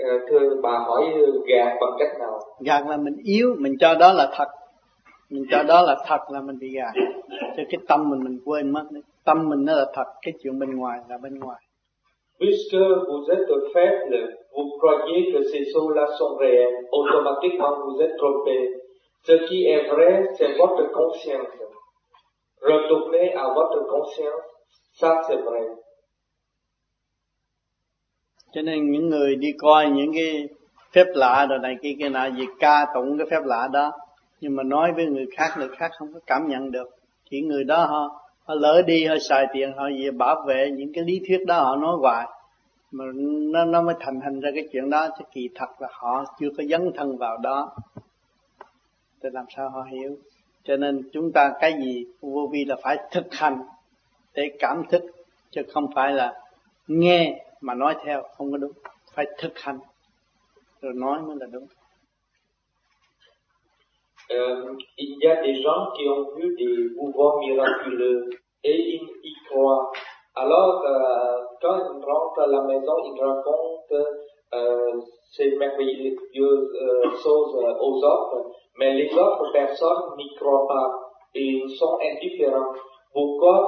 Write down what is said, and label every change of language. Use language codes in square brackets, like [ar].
[vi] Thưa bà hỏi gạt bằng cách nào? Gạt là mình yếu, mình cho đó là thật. Mình cho đó là thật là mình bị gạt. Cho cái tâm mình quên mất. Tâm mình nó là thật, cái chuyện bên ngoài là bên ngoài. [fr] Puisque vous êtes faible, vous croyez que ces choses-là sont réelles. Automatiquement, vous êtes trompé. Ce qui est vrai, c'est votre conscience. Retournez à votre conscience, ça c'est vrai. [vi] Cho nên những người đi coi những cái phép lạ rồi này kia nọ, gì ca tụng cái phép lạ đó, nhưng mà nói với người khác không có cảm nhận được. Chỉ người đó họ lỡ đi, họ xài tiền, họ gì bảo vệ những cái lý thuyết đó họ nói hoài, mà nó mới thành ra cái chuyện đó. Chứ kỳ thật là họ chưa có dấn thân vào đó, thì làm sao họ hiểu. Cho nên chúng ta cái gì vô vi là phải thực hành để cảm thức, chứ không phải là nghe mà nói theo, không có đúng. Phải thực hành rồi nói mới là đúng. [fr] Il y a des gens qui ont vu des pouvoirs miraculeux et ils y croient. Alors, quand ils rentrent à la maison, ils racontent ces merveilleuses choses aux autres, mais les autres personnes n'y croient pas et ils sont indifférents. Pourquoi?